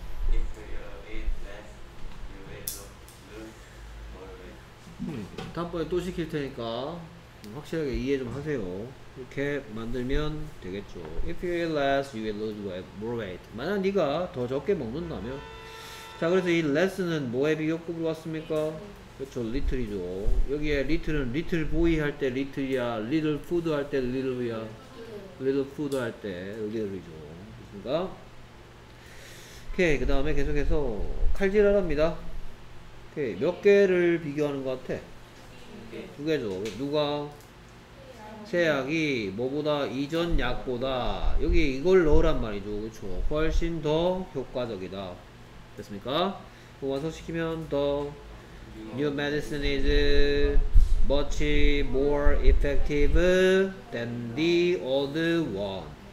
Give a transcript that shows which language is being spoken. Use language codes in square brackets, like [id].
[en] If you eat less, you will lose more weight. [ko] 다음번에 또 시킬 테니까 확실하게 이해 좀 하세요. 이렇게 만들면 되겠죠. [en] If you eat less, you will lose more weight. [ko] 만약 네가 더 적게 먹는다면. 자, 그래서 이 less는 뭐에 비교급으로 왔습니까? 그렇죠, little이죠. 여기에 little은 little boy 할 때 little이야, little food 할 때 little이야, little food 할 때 little이죠. 그렇습니까? 오케이, 그 다음에 계속해서 칼질하랍니다. 오케이, 몇 개를 비교하는 것 같아? 두 개죠. 누가? 새약이 뭐보다 이전 약보다 여기 이걸 넣으란 말이죠. 그렇죠. 훨씬 더 효과적이다. 됐습니까? 완성시키면 더 [en] new medicine is much more effective than the old one.